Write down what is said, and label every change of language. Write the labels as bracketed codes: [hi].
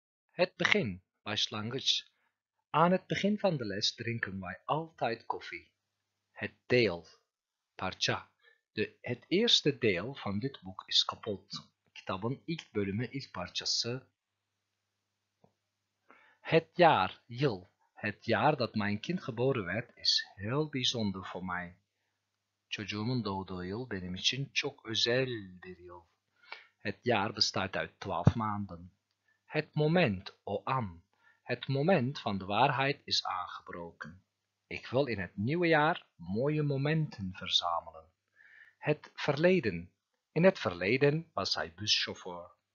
[nl] Het begin. Başlangıç. Aan het begin van de les drinken wij altijd koffie. Het deel. Parça. Het eerste deel van dit boek is kapot. [tr] Kitabın ilk bölümü, ilk parçası. [nl] Het jaar. Yıl. Het jaar dat mijn kind geboren werd is heel bijzonder voor mij. [tr] Çocuğumun doğduğu yıl benim için çok özel bir yıl. [nl] Het jaar bestaat uit 12 maanden. Het moment. [tr] O an. [nl] Het moment van de waarheid is aangebroken. Ik wil in het nieuwe jaar mooie momenten verzamelen. Het verleden. In het verleden was hij buschauffeur.